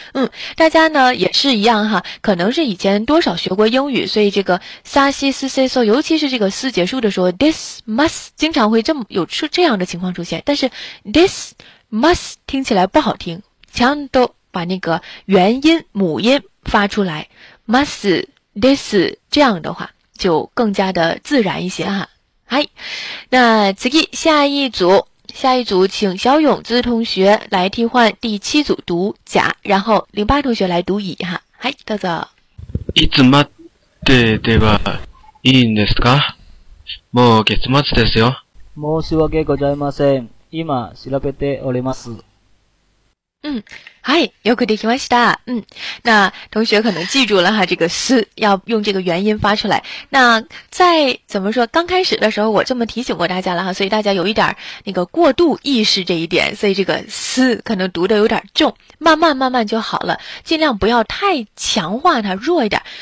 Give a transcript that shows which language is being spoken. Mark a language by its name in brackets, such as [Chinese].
[Chinese] 嗯，大家呢也是一样哈，可能是以前多少学过英语，所以这个さしすせそ，尤其是这个す结束的时候 ，this must 经常会这么有出这样的情况出现。但是 this must 听起来不好听，ちゃんと把那个元音母音发出来 ，must this 这样的话就更加的自然一些哈。はい、那次下一组。下一组请小勇姿同学来替换第七组读甲，然后08同学来读乙哈。 [Japanese] はい、どうぞ。いつまでではいいんですか？もう月末ですよ。申し訳ございません。今調べております。嗯，はい、よくできました。 [Chinese] 嗯，那同学可能记住了哈，这个“す”要用这个元音发出来。那在怎么说，刚开始的时候我这么提醒过大家了哈，所以大家有一点那个过度意识这一点，所以这个“す”可能读的有点重，慢慢慢慢就好了，尽量不要太强化它，弱一点。